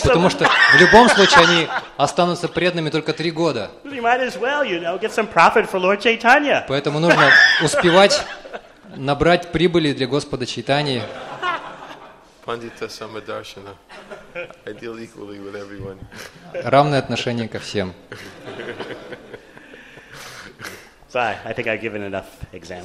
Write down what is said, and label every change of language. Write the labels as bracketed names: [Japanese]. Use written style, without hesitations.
[Russian] Потому что в любом случае они останутся преданными только 3 года. [English] You might as well, you know, get some profit for Lord Chaitanya. [Russian] Поэтому нужно успевать набрать прибыли для Господа Чайтаньи. [English] Пандита Самадаршана. I deal equally with everyone. [Russian] Равное отношение ко всем. [English] So I think I've given enough examples.